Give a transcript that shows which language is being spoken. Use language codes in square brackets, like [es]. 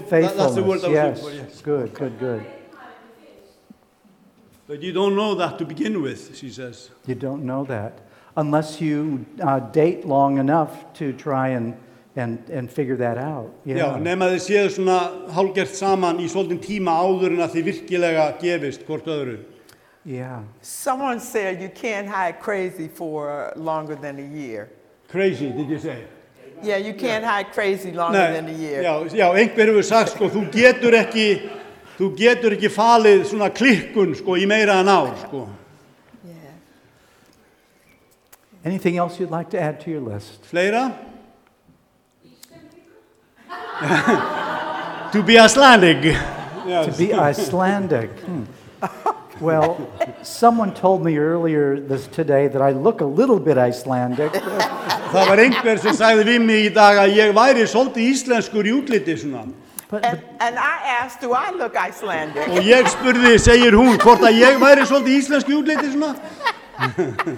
[en] Faithfulness, that's the word good. But you don't know that to begin with, she says. You don't know that. Unless you date long enough to try and... and figure that out. [is] Já, nema þið séu svona hálgert saman í svolítinn tíma áður en að þið virkilega gefist hvort öðru. [en] Yeah. Someone said you can't hide crazy for longer than a year. Crazy, did you say? Yeah, you can't hide crazy longer than a year. [is] Já, já, einhver hefur sagt sko, þú getur ekki falið svona klikkun sko í meira en ár sko. [en] Yeah. Anything else you'd like to add to your list? [is] Fleira? [en] To be Icelandic. Yes. To be Icelandic. Hmm. Well, someone told me earlier this today that I look a little bit Icelandic. [is] Það var einhver sem sagði við mig í dag að ég væri svolítið íslenskur í útliti svona. [en] And I asked, do I look Icelandic? [is] Og ég spurði, segir hún, hvort að ég væri svolítið íslenskur í útliti svona.